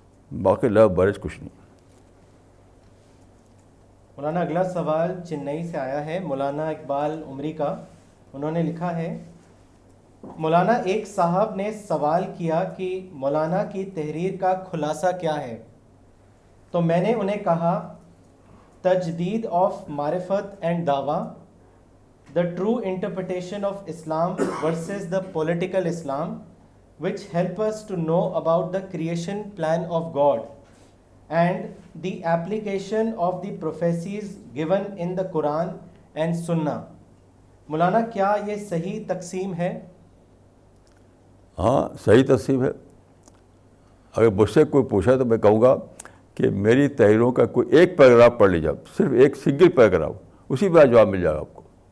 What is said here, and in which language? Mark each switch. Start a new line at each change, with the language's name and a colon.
Urdu: باقی love marriage کچھ نہیں. مولانا اگلا سوال چنئی سے آیا ہے, مولانا اقبال عمری کا. انہوں نے لکھا ہے, مولانا ایک صاحب نے سوال کیا کہ مولانا کی تحریر کا خلاصہ کیا ہے. تو میں نے انہیں کہا,
English: تجدید آف معرفت اینڈ دعویٰ, the true interpretation of Islam versus the political Islam which help us to know about the creation plan of God and the application of the prophecies given in the Quran and Sunnah.
Urdu: مولانا کیا یہ صحیح تقسیم ہے؟ ہاں صحیح تقسیم ہے. اگر مجھ سے کوئی پوچھا تو میں کہوں گا کہ میری تحریروں کا کوئی ایک پیراگراف پڑھ لیجیے, صرف ایک سنگل پیراگراف, اسی میں جواب مل جائے گا آپ کو.